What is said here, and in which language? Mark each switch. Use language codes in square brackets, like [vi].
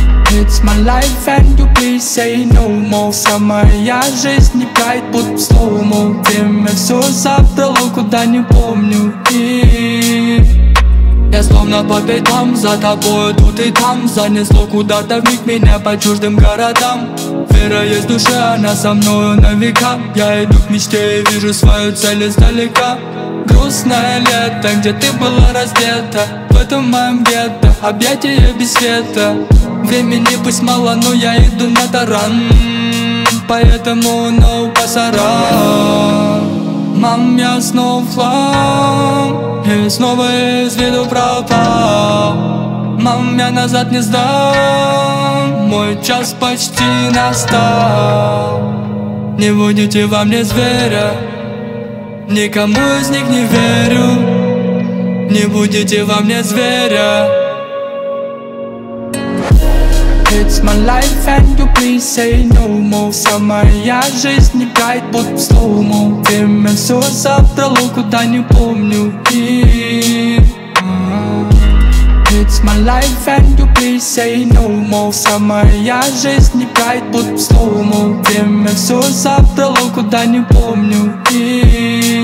[en] It's my life and you please say no more. [ru] Вся моя жизнь играет под слоумо. Время все забрало, куда не помню. И... Я словно по пятам, за тобой тут и там. Занесло куда-то вмиг меня по чуждым городам. Вера есть в душе, она со мною на века. Я иду к мечте и вижу свою цель издалека. Грустное лето, где ты была раздета. В этом моем гетто, объятия без света. Времени пусть мало, но я иду на таран. Поэтому no пасаран. Мам, я снова флам. И снова из виду пропал. Мам, я назад не сдам. Мой час почти настал. Не будете во мне зверя. Никому из них не верю. Не будете во мне зверя. [en] It's my life and you please say no more. [ru] Вся моя жизнь играет под слоумо. Время все забрало, куда не помню. И... [en] It's my life and you please say no more. [ru] Вся моя жизнь играет под слоумо. Время все забрало, куда не помню. И...